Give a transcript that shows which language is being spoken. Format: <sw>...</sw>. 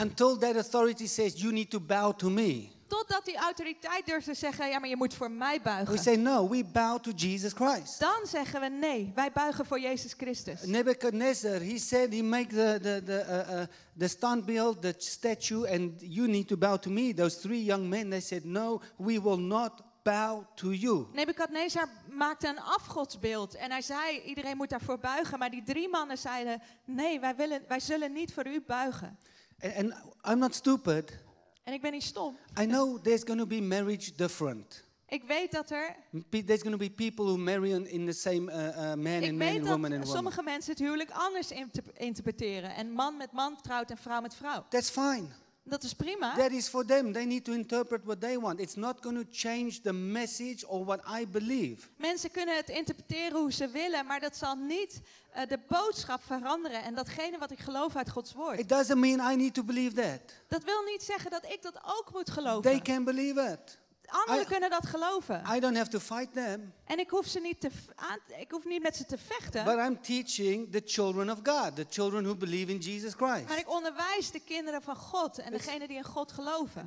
<en>Until that authority says you need to bow to me.</en> <nl>Totdat die autoriteit durft te zeggen, ja, maar je moet voor mij buigen.</nl> <en>We say no, we bow to Jesus Christ.</en> <nl>Dan zeggen we nee, wij buigen voor Jezus Christus.</nl> <en>Nebuchadnezzar, he said he make the stand build, the statue, and you need to bow to me. Those three young men, they said no, we will not bow to you.</en> <nl>Nebuchadnezzar maakte een afgodsbeeld en hij zei, iedereen moet daarvoor buigen, maar die drie mannen zeiden, nee, wij zullen niet voor u buigen.</nl> <en>And I'm not stupid.</en> <nl>En ik ben niet stom.</nl> <en>I know there's going to be marriage different.</en> <nl>Ik weet dat er</nl> <en>there's going to be people who marry in the same man and man, woman and woman.</en> <nl>Sommige mensen het huwelijk anders interpreteren en man met man trouwt en vrouw met vrouw.</nl> <en>That's fine.</en> <nl>Dat is prima.</nl> <en>That is for them. They need to interpret what they want. It's not going to change the message or what I believe.</en> <nl>Mensen kunnen het interpreteren hoe ze willen, maar dat zal niet de boodschap veranderen en datgene wat ik geloof uit Gods woord.</nl> <en>It doesn't mean I need to believe that.</en> <nl>Dat wil niet zeggen dat ik dat ook moet geloven.</nl> <en>They can believe it.</en> <nl>Anderen kunnen dat geloven.</nl> <en>I don't have to fight them.</en> <nl>En ik hoef ze niet ik hoef niet met ze te vechten.</nl> <en>But I'm teaching the children of God, the children who believe in Jesus Christ.</en> <nl>Maar ik onderwijs de kinderen van God en degenen die in God geloven.</nl>